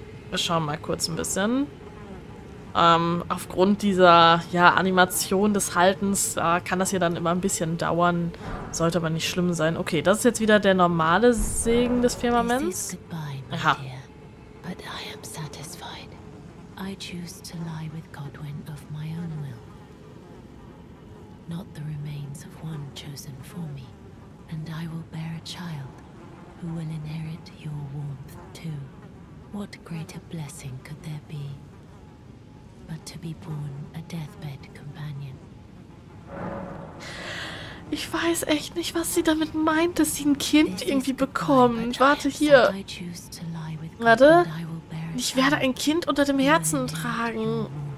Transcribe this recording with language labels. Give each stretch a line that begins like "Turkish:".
German: Wir schauen mal kurz ein bisschen. Aufgrund dieser, ja, Animation des Haltens kann das hier dann immer ein bisschen dauern. Sollte aber nicht schlimm sein. Okay, das ist jetzt wieder der normale Segen des Firmaments.
English: Aha. But I am satisfied. I choose to lie with Godwin of my own will. Not the remains of one chosen for me. And I will bear a child who will inherit your warmth too. What greater blessing could there be but to be born a deathbed companion?
German: Ich weiß echt nicht, was sie damit meint, dass sie ein Kind irgendwie bekommt. Warte, hier. Warte. Ich werde ein Kind unter dem Herzen tragen.